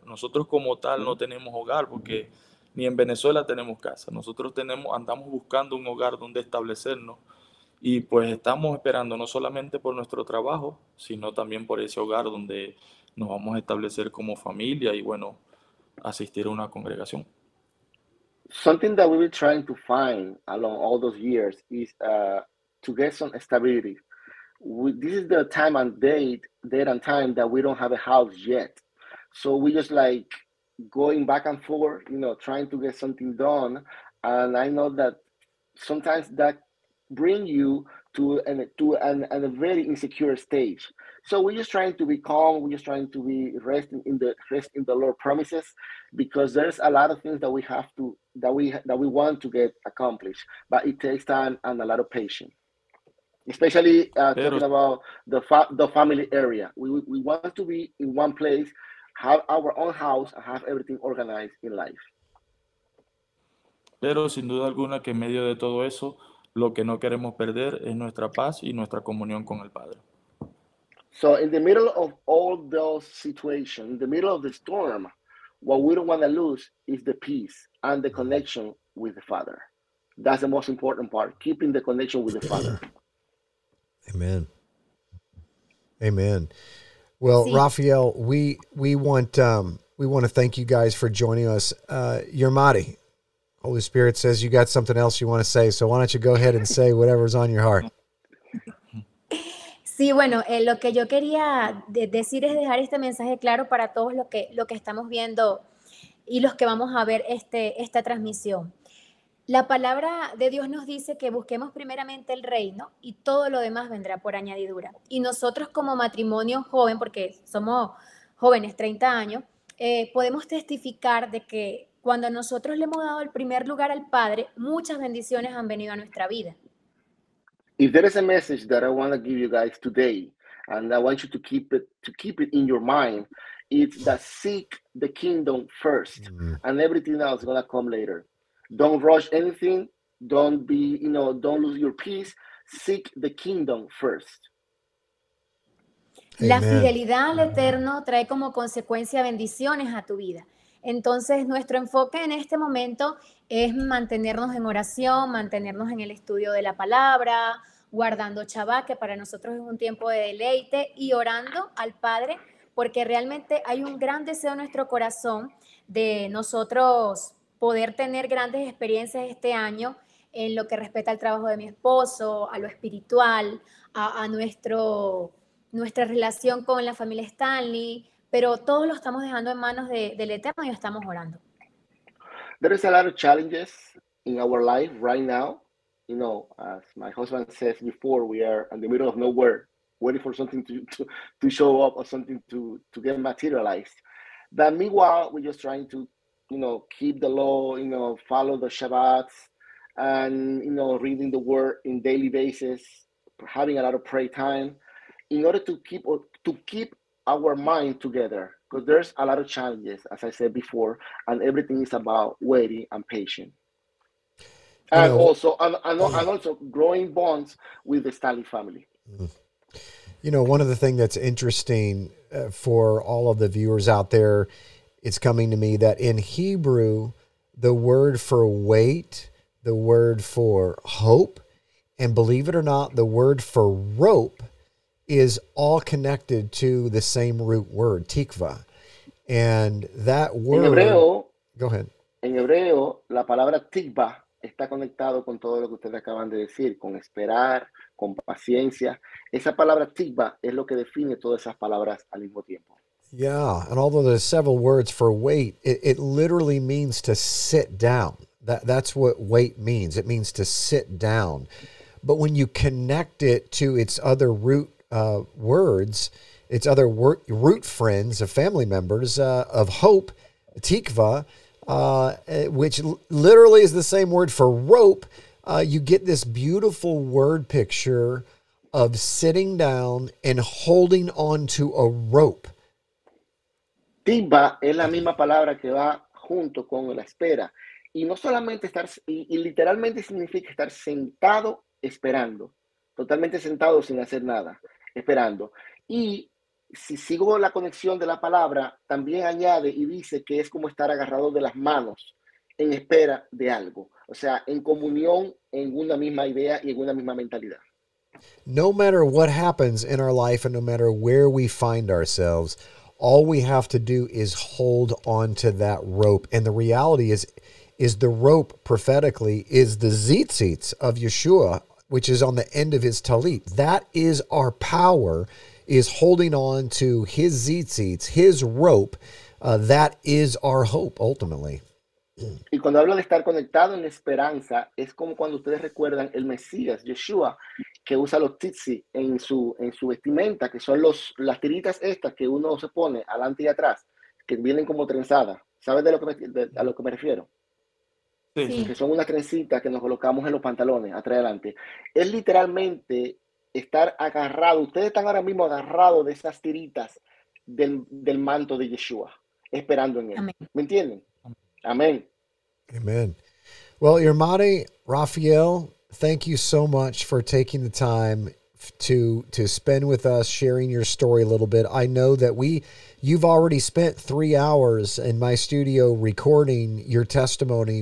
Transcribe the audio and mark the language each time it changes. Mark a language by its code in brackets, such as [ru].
[es] Nosotros como tal no tenemos hogar, porque ni en Venezuela tenemos casa. Nosotros andamos buscando un hogar donde establecernos, y pues estamos esperando no solamente por nuestro trabajo, sino también por ese hogar donde nos vamos a establecer como familia y, bueno, asistir a una congregación. [en] Something that we've been trying to find along all those years is to get some stability. This is the time and date and time that we don't have a house yet. So we just like going back and forth, you know, trying to get something done. And I know that sometimes that bring you to a very insecure stage. So we're just trying to be calm. We're just trying to be rest in the Lord promises, because there's a lot of things that we want to get accomplished, but it takes time and a lot of patience. Especially talking about the family area, we want to be in one place, have our own house, and have everything organized in life. [es] Pero sin duda alguna que en medio de todo eso, lo que no queremos perder es nuestra paz y nuestra comunión con el Padre. [en] So in the middle of all those situations, in the middle of the storm, what we don't want to lose is the peace and the connection with the Father. That's the most important part, keeping the connection with the Father. Amen. Amen. Well, [es] sí. [en] Rafael, we want to thank you guys for joining us. Yermadi, Holy Spirit says you got something else you want to say, so why don't you go ahead and say whatever's on your heart. [es] Sí, bueno, lo que yo quería decir es dejar este mensaje claro para todos lo que estamos viendo y los que vamos a ver esta transmisión. La palabra de Dios nos dice que busquemos primeramente el reino y todo lo demás vendrá por añadidura. Y nosotros como matrimonio joven, porque somos jóvenes, 30 años, podemos testificar de que cuando nosotros le hemos dado el primer lugar al Padre, muchas bendiciones han venido a nuestra vida. [en] If there is a message that I want to give you guys today, and I want you to keep it in your mind, it's that seek the kingdom first, mm-hmm. and everything else is going to come later. Don't rush anything. Don't be, you know, don't lose your peace. Seek the kingdom first. [es] Amen. La fidelidad al eterno trae como consecuencia bendiciones a tu vida. Entonces, nuestro enfoque en este momento es mantenernos en oración, mantenernos en el estudio de la palabra, guardando Shabbat, que para nosotros es un tiempo de deleite, y orando al Padre, porque realmente hay un gran deseo en nuestro corazón de nosotros poder tener grandes experiencias este año en lo que respecta al trabajo de mi esposo, a lo espiritual, a nuestra relación con la familia Staley. Pero todos lo estamos dejando en manos del Eterno y estamos orando. [en] There is a lot of challenges in our life right now. You know, as my husband says before, we are in the middle of nowhere, waiting for something to show up or something to get materialized. But meanwhile, we're just trying to, you know, keep the law, you know, follow the Shabbats, and, you know, reading the Word in daily basis, having a lot of prayer time, in order to keep our mind together, because there's a lot of challenges, as I said before, and everything is about waiting and patience. And also growing bonds with the Staley family. You know, one of the things that's interesting for all of the viewers out there, it's coming to me that in Hebrew, the word for wait, the word for hope, and believe it or not, the word for rope is all connected to the same root word, tikva. And that word... [es] En Hebreo, la palabra tikva está conectado con todo lo que ustedes acaban de decir, con esperar, con paciencia. Esa palabra tikva es lo que define todas esas palabras al mismo tiempo. [en] Yeah, and although there's several words for wait, it literally means to sit down. That's what wait means. It means to sit down. But when you connect it to its other root words, its other root friends of family members of hope, tikva, which literally is the same word for rope, you get this beautiful word picture of sitting down and holding on to a rope. [es] Tikva es la misma palabra que va junto con la espera. Y no solamente estar, y literalmente significa estar sentado esperando, totalmente sentado sin hacer nada, esperando. Y si sigo la conexión de la palabra, también añade y dice que es como estar agarrado de las manos en espera de algo. O sea, en comunión, en una misma idea y en una misma mentalidad. [en] No matter what happens in our life and no matter where we find ourselves, all we have to do is hold on to that rope. And the reality is, is the rope, prophetically, is the tzitzit of Yeshua, which is on the end of his tallit. That is our power, is holding on to his tzitzit, his rope. That is our hope, ultimately. [es] Y cuando hablo de estar conectado en esperanza, es como cuando ustedes recuerdan el Mesías, Yeshua, que usa los tzitzit en su vestimenta, que son las tiritas estas que uno se pone adelante y atrás, que vienen como trenzadas. ¿Sabes a lo que me refiero? Sí. Que son unas trencitas que nos colocamos en los pantalones, atrás y adelante. Es literalmente estar agarrado. Ustedes están ahora mismo agarrados de esas tiritas del manto de Yeshua, esperando en él. Amén. ¿Me entienden? Amén. Amén. [en] Well, Irmade, Rafael, thank you so much for taking the time to spend with us, sharing your story a little bit. I know that you've already spent 3 hours in my studio recording your testimony.